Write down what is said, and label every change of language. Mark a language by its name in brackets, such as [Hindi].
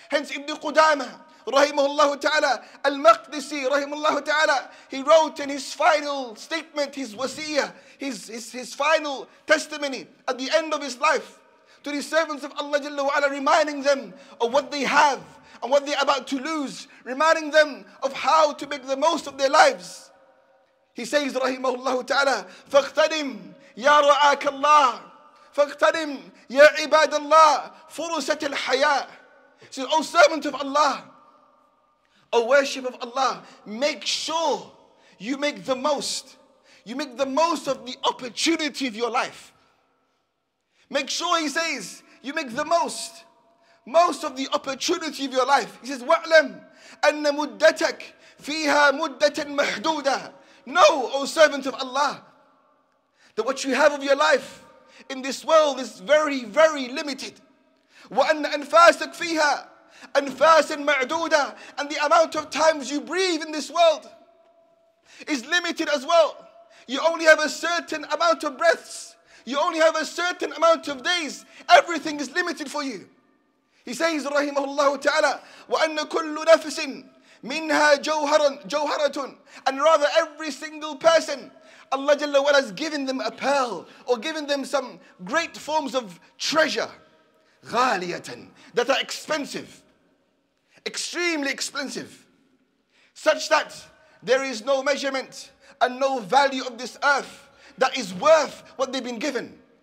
[English] Hence Ibn Qudama, rahimahullah ta'ala, Al-Maqdisi, rahimahullah ta'ala, he wrote in his final statement, his wasiyah, his final testimony at the end of his life to the servants of Allah Jalla wa'ala, reminding them of what they have and what they're about to lose, reminding them of how to make the most of their lives. He says, rahimahullah ta'ala, [Arabic] فَاغْتَنِمْ يَا رَعَاكَ اللَّهِ فَاغْتَنِمْ يَا عِبَادَ اللَّهِ فُرُسَةِ الْحَيَاءِ. [English] He says, O servant of Allah, O worship of Allah, make sure you make the most. You make the most of the opportunity of your life. Make sure, he says, you make the most. Most of the opportunity of your life. He says, [Arabic] وَعْلَمْ أَنَّ مُدَّتَكْ فِيهَا مُدَّةً مَحْدُودًا. [English] Know, O servant of Allah, that what you have of your life in this world is very, very limited. [Arabic] وَأَنَّ أَنْفَاسَكْ فِيهَا أَنْفَاسٍ مَعْدُودًا. [English] And the amount of times you breathe in this world is limited as well. You only have a certain amount of breaths. You only have a certain amount of days. Everything is limited for you. He says, rahimahullah ta'ala, [Arabic] وَأَنَّ كُلُّ نَفْسٍ مِنْهَا جَوْهَرَةٌ. [English] And rather, every single person, Allah Jalla wa'ala has given them a pearl, or given them some great forms of treasure, غَالِيَةً, that are expensive, extremely expensive, such that there is no measurement and no value of this earth that is worth what they've been given.